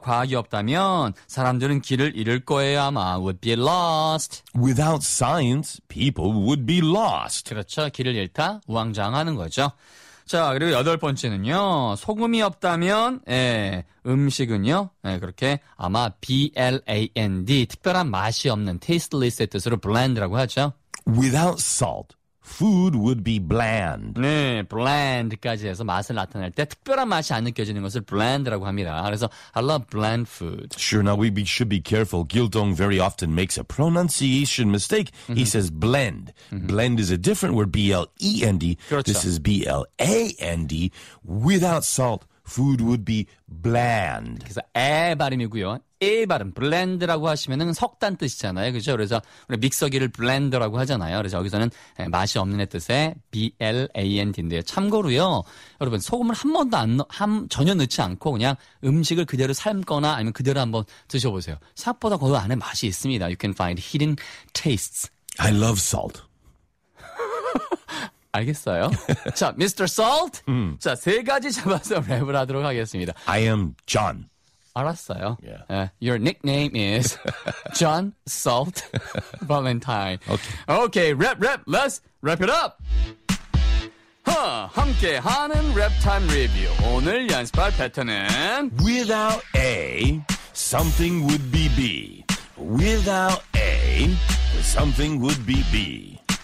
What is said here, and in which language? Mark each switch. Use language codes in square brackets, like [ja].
[ko] 과학이 없다면 사람들은 길을 잃을 거예요. 아마 [en] would be lost. Without science, people would be lost. [ko] 그렇죠. 길을 잃다 우왕좌왕하는 거죠. 자, 그리고 여덟 번째는요. 소금이 없다면 예, 음식은요. 예, 그렇게 아마 bland, 특별한 맛이 없는 tasteless의 뜻으로 bland라고 하죠. [en] Without salt, food would be bland. [ko] 네, bland까지 해서 맛을 나타낼 때 특별한 맛이 안 느껴지는 것을 bland라고 합니다. 그래서 [en] I love bland food. Sure, now we should be careful. Gildong very often makes a pronunciation mistake. He says blend. Blend is a different word, B-L-E-N-D. [ko] 그렇죠. [en] This is B-L-A-N-D. Without salt, food would be bland. [ko] 그래서 에 발음이고요. 에 발음 블렌드라고 하시면은 석단 뜻이잖아요. 그렇죠? 그래서 우리 믹서기를 블렌더라고 하잖아요. 그래서 여기서는 맛이 없는 뜻의 BLAND인데요. 참고로요. 여러분 소금을 한 번도 전혀 넣지 않고 그냥 음식을 그대로 삶거나 아니면 그대로 한번 드셔 보세요. 생각보다 그 안에 맛이 있습니다. [en] You can find hidden tastes. I love salt. [ko] 알겠어요. 자, Mr. Salt. 자, 세 가지 잡아서 랩을 하도록 하겠습니다. [en] I am John. [ko] 알았어요. [en] Yeah. Your nickname is John Salt Valentine. Okay. Okay, rap, rap. Let's wrap it up. [ko] Huh, 함께하는 랩 타임 리뷰. 오늘 연습할 패턴은 [en] Without A, something would be B. Without A, something would be B.